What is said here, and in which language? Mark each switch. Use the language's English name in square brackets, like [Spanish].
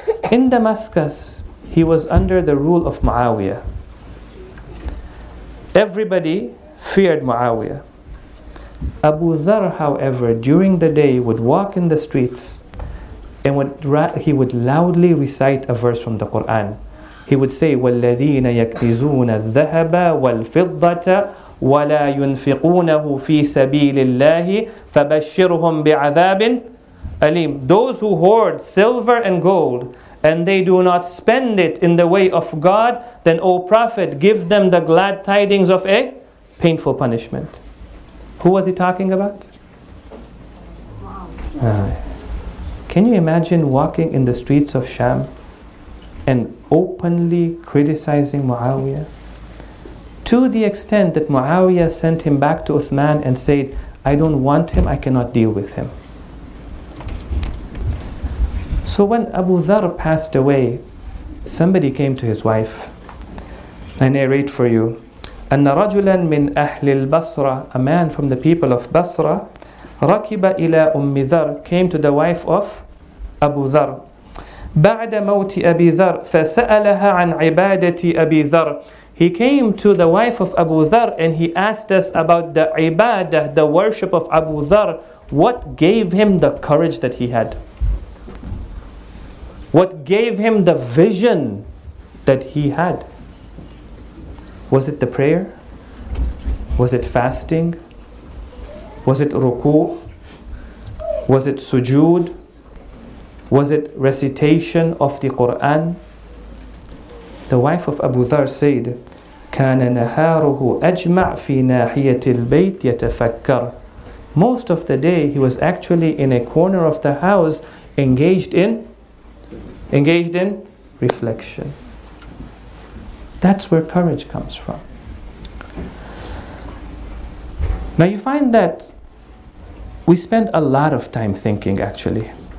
[English] In Damascus, he was under the rule of Muawiyah. Everybody feared Muawiyah. Abu Dharr, however, during the day would walk in the streets and he would loudly recite a verse from the Quran. He would say, [Arabic] وَالَّذِينَ يَكْنِزُونَ الذَّهَبَ وَالْفِضَّةَ وَلَا يُنْفِقُونَهُ فِي سَبِيلِ اللَّهِ فَبَشِّرْهُمْ بِعَذَابٍ أَلِيمٍ. [English] Those who hoard silver and gold and they do not spend it in the way of God, then, O Prophet, give them the glad tidings of a painful punishment. Who was he talking about? Can you imagine walking in the streets of Sham and openly criticizing Muawiyah? To the extent that Muawiyah sent him back to Uthman and said, I don't want him, I cannot deal with him. So when Abu Dharr passed away, somebody came to his wife. I narrate for you. [Arabic] أن رجلا من أهل البصرة, [English] a man from the people of Basra, [Arabic] ركب إلى أم ذر, [English] came to the wife of Abu Dharr. [Arabic] بعد موت أبي ذر فسألها عن عبادة أبي ذر. [English] He came to the wife of Abu Dharr and he asked us about the ibadah, the worship of Abu Dharr. What gave him the courage that he had? What gave him the vision that he had? Was it the prayer? Was it fasting? Was it ruku'? Was it sujood? Was it recitation of the Qur'an? The wife of Abu Dharr said, [Arabic] كَانَ نَهَارُهُ أَجْمَعْ فِي نَاحِيَةِ الْبَيْتِ يَتَفَكَّرُ. [English] Most of the day, he was actually in a corner of the house engaged in reflection. That's where courage comes from. Now you find that we spend a lot of time thinking, actually.